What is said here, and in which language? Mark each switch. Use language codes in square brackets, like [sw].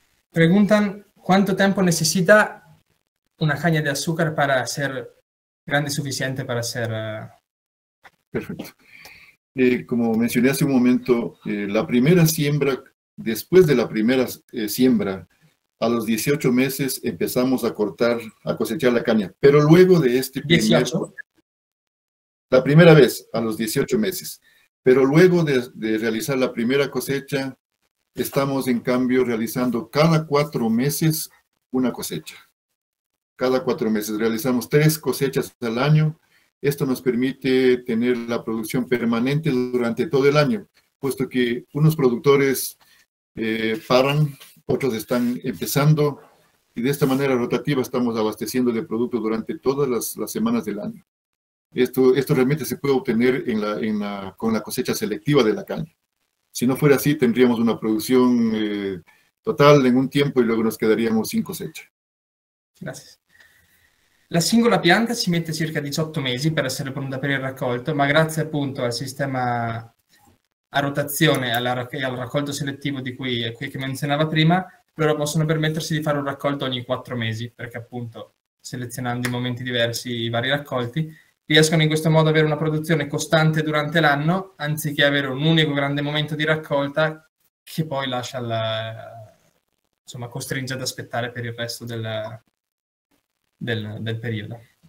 [it] Preguntano quanto tempo necessita una canna da zucchero per essere grande sufficiente per essere. [es] Perfecto. Como mencioné hace un momento, la primera siembra, después de la primera siembra, a los 18 meses empezamos a cortar, a cosechar la caña. Pero luego de este primer, 18. la primera vez, a los 18 meses, pero luego de realizar la primera cosecha, estamos en cambio realizando cada 4 meses una cosecha. Cada 4 meses realizamos 3 cosechas al año. Esto nos permite tener la producción permanente durante todo el año, puesto que unos productores paran, otros están empezando y de esta manera rotativa estamos abasteciendo de producto durante todas las semanas del año. Esto realmente se puede obtener con la cosecha selectiva de la caña. Si no fuera así, tendríamos una producción total en un tiempo y luego nos quedaríamos sin cosecha. Gracias. [it] La singola pianta ci mette circa 18 mesi per essere pronta per il raccolto, ma grazie appunto al sistema a rotazione e al raccolto selettivo di cui che menzionava prima, loro possono permettersi di fare un raccolto ogni 4 mesi, perché appunto selezionando in momenti diversi i vari raccolti, riescono in questo modo ad avere una produzione costante durante l'anno, anziché avere un unico grande momento di raccolta che poi insomma, costringe ad aspettare per il resto del periodo.